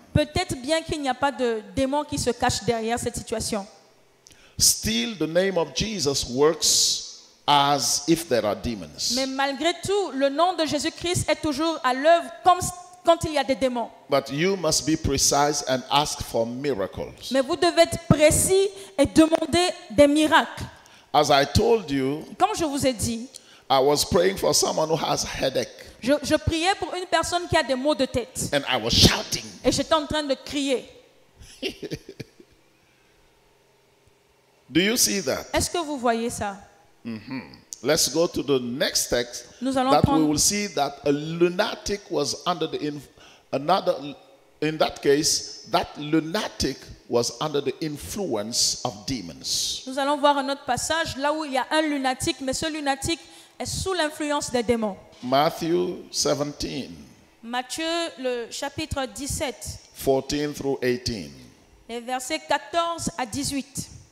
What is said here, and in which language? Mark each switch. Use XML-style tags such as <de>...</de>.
<fr>Peut-être bien qu'il n'y a pas de démons qui se cachent derrière cette situation.</fr> <en>Still, the name of Jesus works. As if there are demons.</en> <fr>Mais malgré tout, le nom de Jésus-Christ est toujours à l'œuvre comme quand il y a des démons.</fr> <en>But you must be precise and ask for miracles.</en> <fr>Mais vous devez être précis et demander des miracles.</fr> <en>As I told you,</en> <fr>comme je vous ai dit,</fr> <en>I was praying for someone who has headache.</en> <fr>Je priais pour une personne qui a des maux de tête.</fr> <en>And I was shouting.</en> <fr>Et j'étais en train de crier.</fr> <en>Do you see that?</en> <fr>Est-ce que vous voyez ça?</fr> <en>Mm-hmm. Let's go to the next text.</en> <fr>Nous allons</fr> <en>that</en> <fr>prendre...</fr> <en>we will see that a lunatic was under the another. In that case, that lunatic was under the influence of demons.</en> <fr>Nous allons voir un autre passage là où il y a un lunatique, mais ce lunatique est sous l'influence des démons.</fr> <en>Matthew 17.</en> <fr>Matthieu le chapitre 17.</fr> <en>14 through 18.</en> <fr>Les versets 14 à 18.</fr>